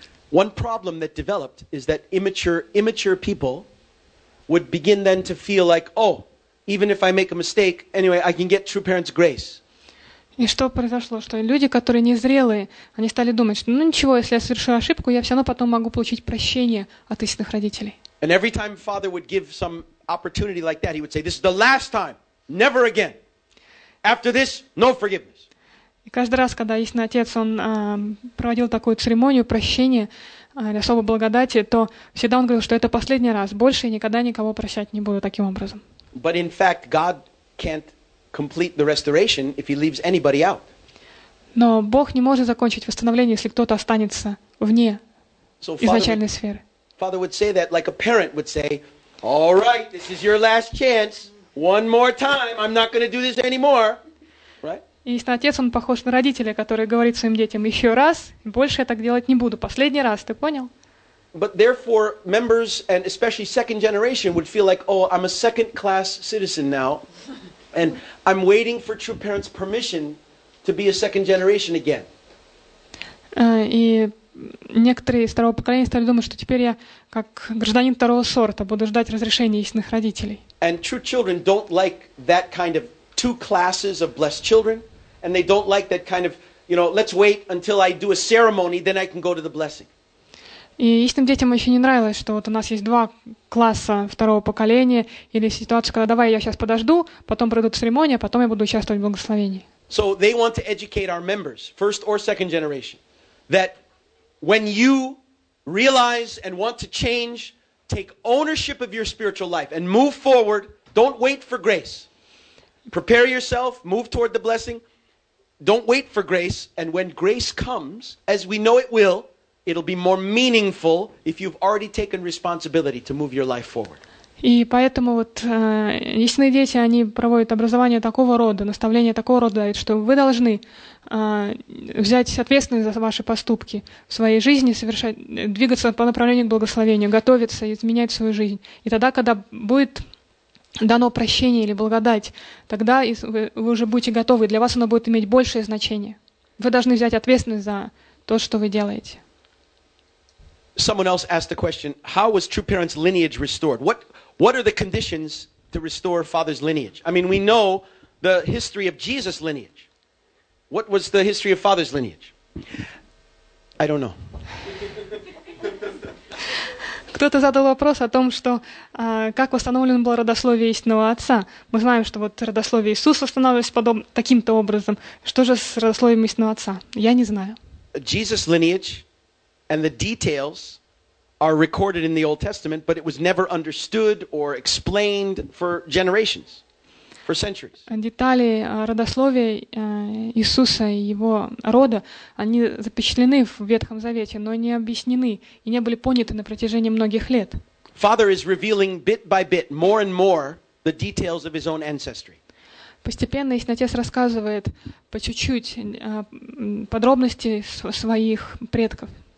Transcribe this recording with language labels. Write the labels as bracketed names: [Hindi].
[English] One problem that developed is that immature people would begin then to feel like, oh, even if I make a mistake, anyway, I can get true parents' grace. [Russian] И что произошло? Что люди, которые незрелые, они стали думать, что ну ничего, если я совершу ошибку, я все равно потом могу получить прощение от истинных родителей. [English] And every time father would give some opportunity like that, he would say, this is the last time, never again. After this, no forgiveness. [Russian] И каждый раз, когда Истинный Отец он проводил такую церемонию прощения или особой благодати, то всегда он говорил, что это последний раз, больше я никогда никого прощать не буду таким образом. [English] But in fact, God can't complete the restoration if he leaves anybody out. [Russian] Но Бог не может закончить восстановление, если кто-то останется вне изначальной сферы. [English] Father would say that like a parent would say, "All right, this is your last chance." One more time, I'm not going to do this anymore. Right? [Russian] Истинный отец, он похож на родителя, который говорит своим детям, еще раз, больше я так делать не буду, последний раз, ты понял? [English] But therefore, members, and especially second generation, would feel like, oh, I'm a second-class citizen now, and I'm waiting for true parents' permission to be a second generation again. [Russian] И некоторые из второго поколения стали думать, что теперь я как гражданин второго сорта буду ждать разрешения истинных родителей. [English] And true children don't like that kind of two classes of blessed children, and they don't like that kind of, you know, let's wait until I do a ceremony, then I can go to the blessing. [Russian] И истинным детям еще не нравилось, что вот у нас есть два класса второго поколения, или ситуация, когда давай я сейчас подожду, потом пройдут церемония, потом я буду участвовать в благословении. [English] So they want to educate our members, first or second generation, that when you realize and want to change, take ownership of your spiritual life and move forward. Don't wait for grace. Prepare yourself, move toward the blessing. Don't wait for grace. And when grace comes, as we know it will, it'll be more meaningful if you've already taken responsibility to move your life forward. [Russian] И поэтому вот истинные дети, они проводят образование такого рода, наставление такого рода дают, что вы должны взять ответственность за ваши поступки в своей жизни, совершать, двигаться по направлению к благословению, готовиться, изменять свою жизнь. И тогда, когда будет дано прощение или благодать, тогда вы уже будете готовы, для вас оно будет иметь большее значение. Вы должны взять ответственность за то, что вы делаете. [English] Someone else asked the question, how was True Parents' lineage restored? What are the conditions to restore father's lineage? I mean, we know the history of Jesus' lineage. What was the history of father's lineage? I don't know. [Russian] Кто-то задал вопрос о том, что как восстановлено было родословие истинного отца. Мы знаем, что вот родословие Иисуса восстанавливалось таким-то образом. Что же с родословием истинного отца? Я не знаю. [English] Jesus' lineage and the details are recorded in the Old Testament, but it was never understood or explained for generations, for centuries. [Russian] Детали родословия Иисуса и его рода, они запечатлены в Ветхом Завете, но не объяснены и не были поняты на протяжении многих лет. [English] Father is revealing bit by bit more and more the details of his own ancestry. [Russian] Постепенно Иснатес рассказывает по чуть-чуть подробности своих предков.